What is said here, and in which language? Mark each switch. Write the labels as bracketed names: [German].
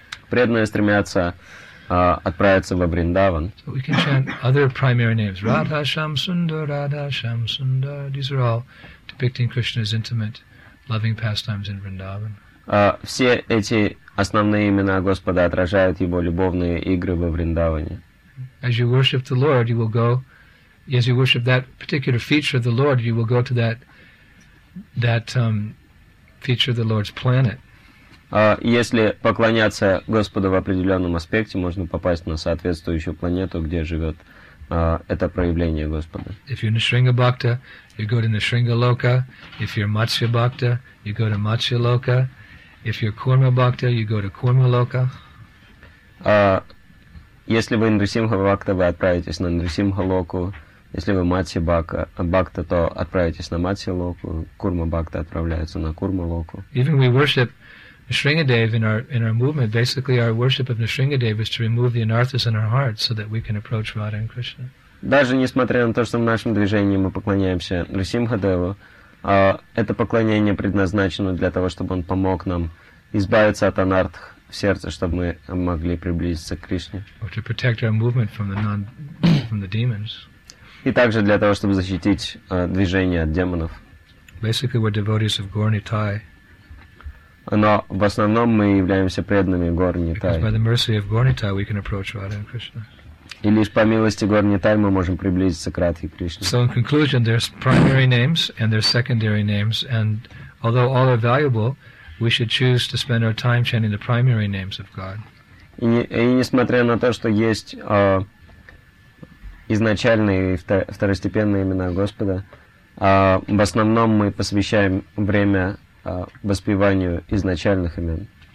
[Russian] Преданные стремятся отправиться во Вриндаван. [English] So we can chant other primary names. Radha Sham Sundar, Radha Sham Sundar. These are all depicting Krishna's intimate loving pastimes in Vrindavan. [Russian] Все эти основные имена Господа отражают его любовные игры во Вриндаване. [English] As you worship the Lord, you will go, as you worship that particular feature of the Lord, you will go to that feature of the Lord's planet. [Russian] Если поклоняться Господу в определенном аспекте, можно попасть на соответствующую планету, где живет это проявление Господа. [English] If you're Nisringa Bhakta, you go to Nisringa Loka. If you're Matsya Bhakta, you go to Matsya Loka. If you're Kurma Bhakta, you go to Kurma Loka. [Russian] Если вы Нрисимха Бхакта, вы отправитесь на Нрисимха Локу. Если вы Матси Бхакта, то отправитесь на Матси Локу. Курма Бхакта отправляется на Курма Локу. [English] Even we worship Nisringadev in our movement. Basically, our worship of Nisringadev is to remove the anarthas in our hearts so that we can approach Radha and Krishna. [Russian] Даже несмотря на то, что в нашем движении мы поклоняемся Нрисимхадеву, это поклонение предназначено для того, чтобы он помог нам избавиться от анартх в сердце, чтобы мы могли приблизиться к Кришне. [English] Or to protect our movement from the demons. [Russian] И также для того, чтобы защитить движение от демонов. [English] Basically, we're devotees of Gaur Nitai. [Russian] Но в основном мы являемся преданными Гор Нитай. [English] Because by the mercy of Gaur Nitai, we can approach Radha and Krishna. [Russian] И лишь по милости Гор Нитай мы можем приблизиться к Радхе Кришне. [English] So in conclusion, there's primary names and there's secondary names, and although all are valuable, we should choose to spend our time chanting the primary names of God. [Russian] И несмотря на то, что есть изначальные и второстепенные имена Господа, в основном мы посвящаем время воспеванию изначальных имен.